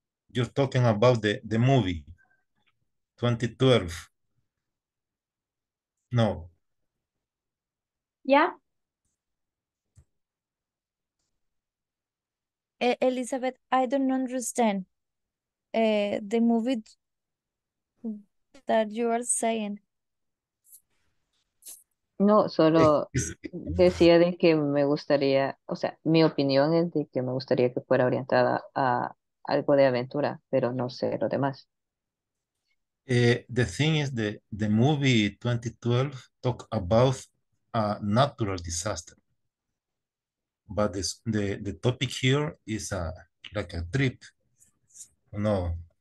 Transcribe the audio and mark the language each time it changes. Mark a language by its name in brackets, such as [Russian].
[English] You're talking about the movie 2012. No. Yeah. Elizabeth, I don't understand the movie that you are saying. [Spanish] No, solo decía de que me gustaría, o sea, mi opinión es de que me gustaría que fuera orientada a algo de aventura, pero no sé lo demás. [English] The thing is, the movie 2012 talk about a natural disaster. But the topic here is like a trip, no?